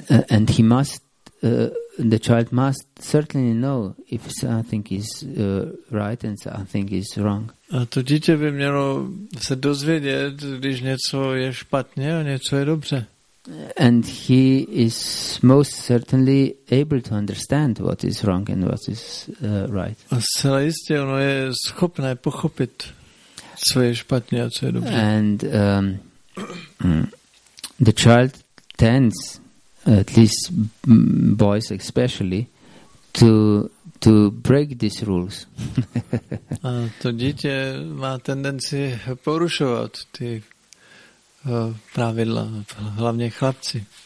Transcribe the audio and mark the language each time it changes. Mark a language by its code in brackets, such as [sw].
[en] And he must, the child must certainly know if something is right and something is wrong. [cs] A to dítě by mělo se dozvědět, když něco je špatně a něco je dobře. [en] And he is most certainly able to understand what is wrong and what is right. [cs] A zcela jistě ono je schopné pochopit, co je špatně a co je dobře. [en] And the child tends, at least boys especially, to break these rules. [cs] A to dítě má tendenci porušovat ty pravidla, hlavně chlapci.